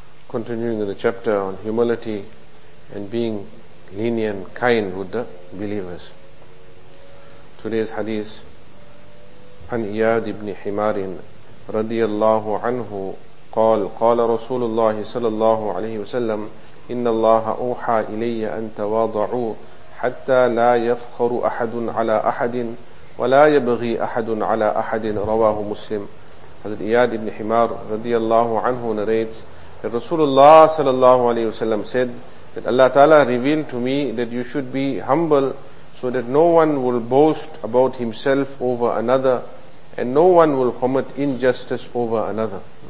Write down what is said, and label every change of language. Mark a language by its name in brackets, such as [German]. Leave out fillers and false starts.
[English] Continuing in the chapter on humility and being lenient, kind with the believers. Today's hadith, [Arabic] عن إياد بن حمار رضي الله عنه قال قال رسول الله صلى الله عليه وسلم إن الله أوحى إلي أن تواضعوا حتى لا يفخر أحد على أحد ولا يبغي أحد على أحد رواه مسلم. [English] Hazrat Iyad ibn Himar radiyallahu anhu narrates that Rasulullah sallallahu alayhi wasallam said that Allah Ta'ala revealed to me that you should be humble so that no one will boast about himself over another and no one will commit injustice over another.